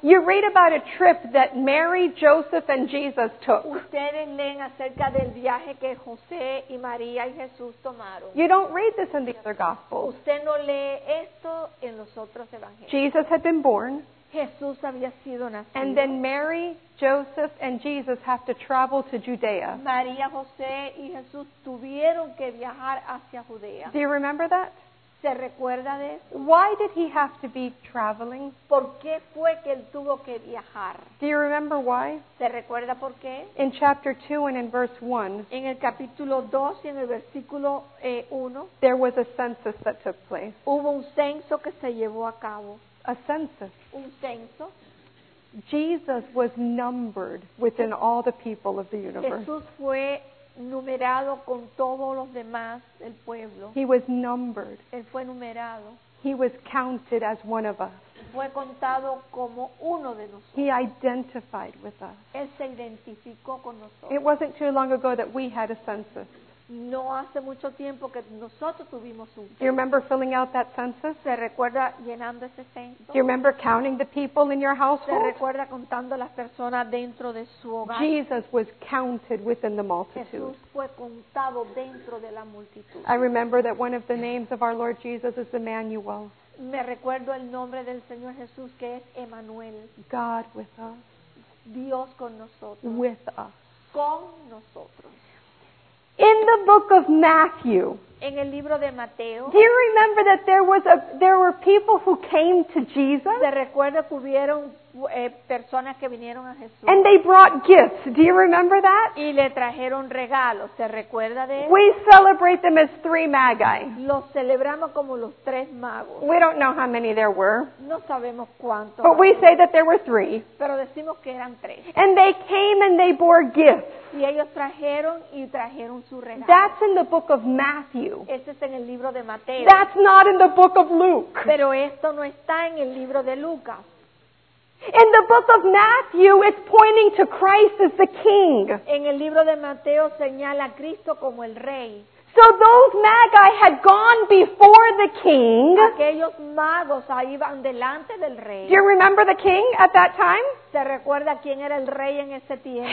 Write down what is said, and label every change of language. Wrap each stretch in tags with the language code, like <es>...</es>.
<en>you read about a trip that Mary, Joseph, and Jesus took.</en> <es>Ustedes leen acerca del viaje que José y María y Jesús tomaron.</es> <en>You don't read this in the other gospels.</en> <es>Usted no lee esto en los otros evangelios.</es> <en>Jesus had been born.</en> <es>Jesús había sido nacido.</es> <en>And then Mary, Joseph, and Jesus have to travel to Judea.</en> <es>María, José y Jesús tuvieron que viajar hacia Judea.</es> <en>Do you remember that?</en> <es>¿Se recuerda de eso?</es> <en>Why did he have to be traveling?</en> <es>¿Por qué fue que él tuvo que viajar?</es> <en>Do you remember why?</en> <es>¿Se recuerda por qué?</es> <en>In chapter 2 and in verse 1.</en> <es>En el capítulo 2 y en el versículo 1.</es> <en>There was a census that took place.</en> <es>Hubo un censo que se llevó a cabo.</es> <en>A census.</en> <es>Un censo.</es> <en>Jesus was numbered within all the people of the universe.</en> <es>Jesús fue numerado con todos los demás del pueblo.</es> <en>He was numbered.</en> <es>Él fue numerado.</es> <en>He was counted as one of us.</en> <es>Fue contado como uno de nosotros.</es> <en>He identified with us.</en> <es>Él se identificó con nosotros.</es> <en>It wasn't too long ago that we had a census.</en> <es>No hace mucho tiempo que nosotros tuvimos un.</es> <en>Do you remember filling out that census?</en> <es>¿Se recuerda llenando ese censo?</es> <en>Do you remember counting the people in your household?</en> <es>¿Se recuerda contando las personas dentro de su hogar?</es> <en>Jesus was counted within the multitude.</en> <es>Jesús fue contado dentro de la multitud.</es> <en>I remember that one of the names of our Lord Jesus is Emmanuel.</en> <es>Me recuerdo el nombre del Señor Jesús que es Emmanuel.</es> <en>God with us.</en> <es>Dios con nosotros.</es> <en>With us.</en> <es>Con nosotros.</es> <en>In the book of Matthew,</en> <es>en el libro de Mateo,</es> <en>do you remember that there were people who came to Jesus?</en> <es>¿Se recuerda que hubieron personas que vinieron a Jesús?</es> <en>And they brought gifts. Do you remember that?</en> <es>Y le trajeron regalos. ¿Se recuerda de eso?</es> <en>We celebrate them as three magi.</en> <es>Los celebramos como los tres magos.</es> <en>We don't know how many there were.</en> <es>No sabemos cuántos.</es> <en>But we say that there were three.</en> <es>Pero decimos que eran tres.</es> <en>And they came and they bore gifts.</en> <es>Y ellos trajeron y trajeron su regalo.</es> <en>That's in the book of Matthew.</en> <es>Ese es en el libro de Mateo.</es> <en>That's not in the book of Luke.</en> <es>Pero esto no está en el libro de Lucas.</es> <en>In the book of Matthew, it's pointing to Christ as the king.</en> <es>En el libro de Mateo señala a Cristo como el rey.</es> <en>So those magi had gone before the king.</en> <es>Aquellos magos ahí iban delante del rey.</es> <en>Do you remember the king at that time?</en> <es>¿Se recuerda quién era el rey en ese tiempo?</es>